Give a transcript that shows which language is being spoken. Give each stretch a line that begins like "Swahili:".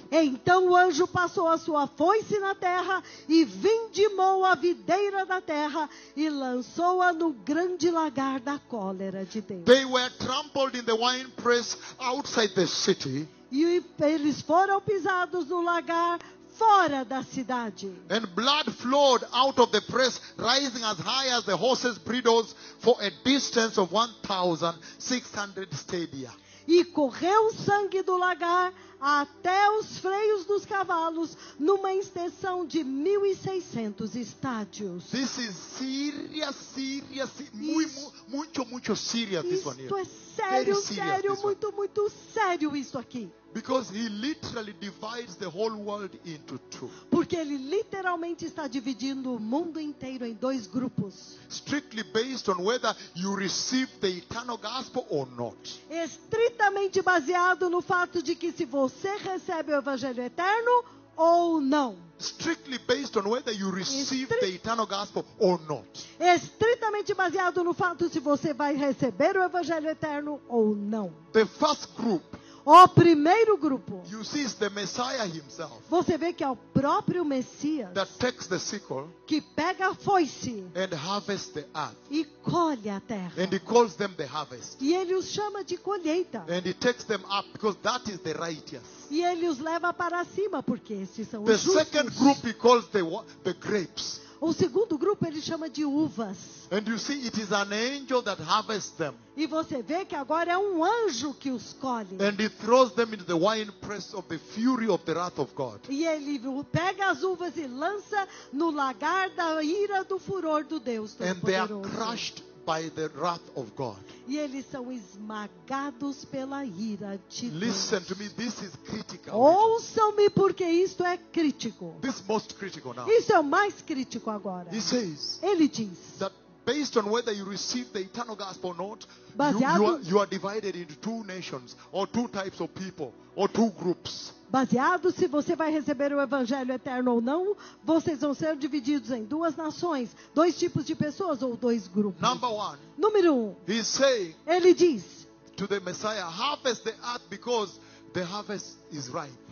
Portuguese: Então o anjo passou a sua foice na terra e vindimou a videira da terra e lançou-a no grande lagar da cólera de Deus.
English: They were trampled in the winepress outside the city.
Portuguese: E eles foram pisados no lagar fora da cidade.
English: And blood flowed out of the press, rising as high as the horses' bridles for a distance of 1,600 stadia.
Portuguese: E correu sangue do lagar até os freios dos cavalos numa extensão de 1,600 estádios.
English: This is serious, serious,
Portuguese: muito
English: serious.
Portuguese: Isto
English: this one here.
Portuguese: Isto é sério, sério, muito, muito sério isso aqui.
English: Because he literally divides the whole world into two.
Portuguese: Porque ele literalmente está dividindo o mundo inteiro em dois grupos.
English: Strictly based on whether you receive the eternal gospel or not.
Portuguese: Estritamente baseado no fato de que se você recebe o evangelho eterno ou não.
English: Strictly based on whether you receive the eternal gospel or not.
Portuguese: Estritamente baseado no fato se você vai receber o evangelho eterno ou não.
English: The first group.
Portuguese: Ó primeiro grupo.
English: You see, it's the Messiah himself.
Portuguese: Você vê que é o próprio Messias.
English: That takes the sickle.
Portuguese: Que pega a foice.
English: And harvests the earth.
Portuguese: E colhe a terra.
English: And he calls them the harvest.
Portuguese: E ele os chama de colheita.
English: And he takes them up because that is the righteous.
Portuguese: E ele os leva para cima porque esses são os
English: the
Portuguese: justos.
English: The second group he calls the grapes.
Portuguese: O segundo grupo ele chama de uvas.
English: And you see, it is an angel that harvests them.
Portuguese: E você vê que agora é um anjo que os colhe.
English: And he throws them into the wine press of the fury of the wrath of God.
Portuguese: E ele pega as uvas e lança no lagar da ira do furor do Deus Todo-Poderoso.
English: And they are crushed by the wrath of God.
Portuguese: E eles são esmagados pela ira de Deus.
English: Listen to me, this is critical.
Portuguese: Ouçam-me, porque isto é crítico.
English: This is most critical now.
Portuguese: Isso é o mais crítico agora.
English: He says,
Portuguese: ele diz,
English: that based on whether you receive the eternal gospel or not, you are divided into two nations or two types of people or two groups.
Portuguese: Baseado se você vai receber o evangelho eterno ou não, vocês vão ser divididos em duas nações, dois tipos de pessoas ou dois grupos.
English: Number one,
Portuguese: número um.
English: He saying,
Portuguese: ele diz
English: to the Messiah, harvest the earth because the harvest is ripe.